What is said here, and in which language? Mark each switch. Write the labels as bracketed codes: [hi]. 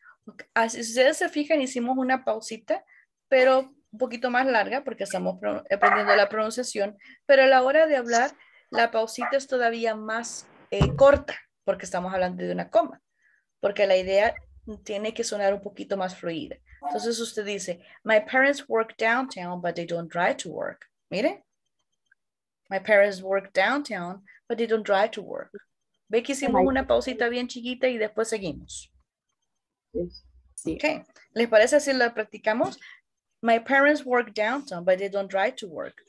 [es] Okay. Si ustedes se fijan, hicimos una pausita, pero un poquito más larga porque estamos aprendiendo la pronunciación. Pero a la hora de hablar, la pausita es todavía más corta porque estamos hablando de una coma. Porque la idea tiene que sonar un poquito más fluida. Entonces usted dice, [en] my parents work downtown, but they don't drive to work. [es] Mire. [en] My parents work downtown, but they don't drive to work. [es] Ve que hicimos una pausita bien chiquita y después seguimos. Sí. Okay. ¿Les parece si la practicamos? [en] My parents work downtown, but they don't drive to work.